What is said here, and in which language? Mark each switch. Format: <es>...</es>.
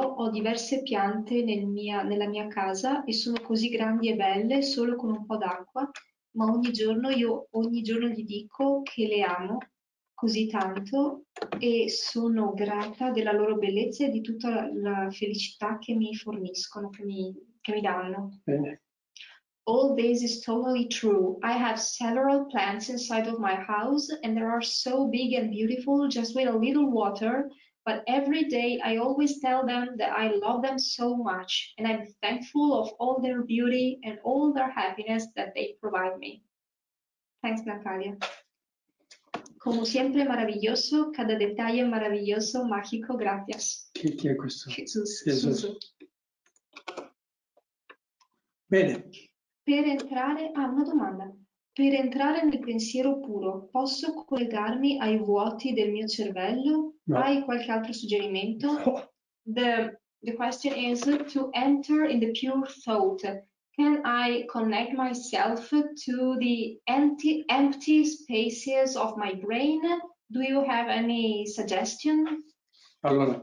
<it>Ho diverse piante nella mia casa e sono così grandi e belle, solo con un po' d'acqua. Ma ogni giorno gli dico che le amo. così tanto e sono grata della loro bellezza e di tutta la felicità che mi forniscono, che mi danno. Bene.</it> <en>All this is totally true. I have several plants inside of my house and they are so big and beautiful just with a little water, but every day I always tell them that I love them so much and I'm thankful of all their beauty and all their happiness that they provide me. Thanks, Natalia.</en> <es>Como siempre maravilloso, cada detalle maravilloso, mágico, gracias.</es> <it>Chi è questo?</it> <en>Jesus.</en> <it>Bene. Per entrare nel pensiero puro, posso collegarmi ai vuoti del mio cervello? No. Hai qualche altro suggerimento? No.</it> <en>The question is, to enter in the pure thought, can I connect myself to the empty spaces of my brain? Do you have any suggestion?</en> <it>Allora,</it>